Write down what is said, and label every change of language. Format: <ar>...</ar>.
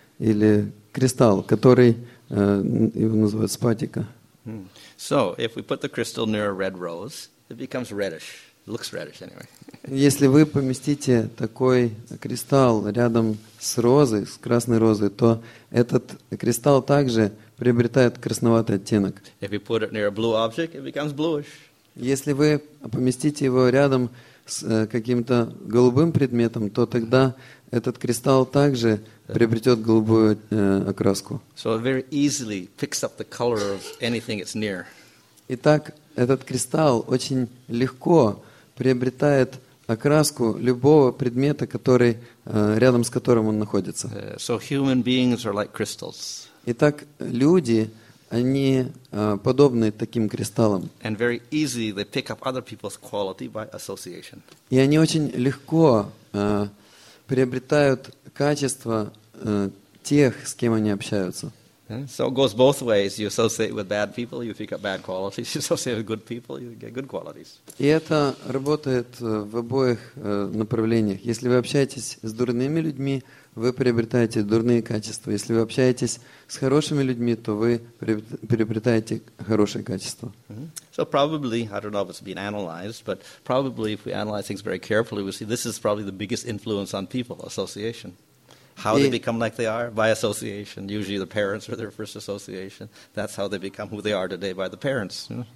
<ru>Или кристалл, который его называют спатика.</ru> <en>So, if we put the crystal near a red rose, it becomes reddish. It looks reddish anyway.</en> <ru>Если вы поместите такой кристалл рядом с розой, с красной розой, то этот кристалл также приобретает красноватый оттенок.</ru> <en>If you put it near a blue object, it becomes bluish.</en> <ru>Если вы поместите его рядом с каким-то голубым предметом, то тогда этот кристалл также приобретет голубую окраску.</ru> <en>So it very easily picks up the color of anything it's near.</en> <ru>Итак, этот кристалл очень легко приобретает окраску любого предмета, который рядом с которым он находится.</ru> <en>So human beings are like crystals.</en> <ru>Итак, люди, они подобны таким кристаллам.</ru> <en>And very easily they pick up other people's quality by association.</en> <ru>И они очень легко приобретают качество тех, с кем они общаются.</ru> <en>So it goes both ways. You associate with bad people, you pick up bad qualities. You associate with good people, you get good qualities.</en> <ru>И это работает в обоих направлениях. Если вы общаетесь с дурными людьми, вы приобретаете дурные качества. Если вы общаетесь с хорошими людьми, то вы приобретаете хорошие качества.</ru> <en>So probably, I don't know if it's been analyzed, but probably if we analyze things very carefully, we see this is probably the biggest influence on people, association. How they become like they are? By association. Usually the parents are their first association. That's how they become who they are today, by the parents.</en>